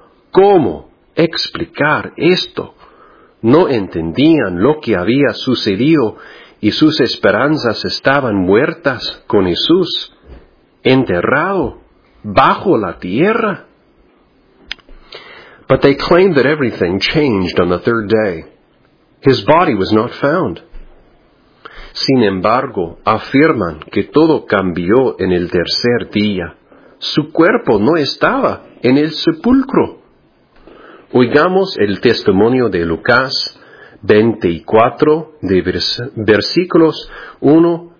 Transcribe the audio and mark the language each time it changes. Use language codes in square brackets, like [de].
[es] ¿Cómo explicar esto? No entendían lo que había sucedido y sus esperanzas estaban muertas con Jesús, enterrado bajo la tierra. [en] But they claimed that everything changed on the third day. His body was not found. [es] Sin embargo, afirman que todo cambió en el tercer día. Su cuerpo no estaba en el sepulcro. Oigamos el testimonio de Lucas 24, de versículos 1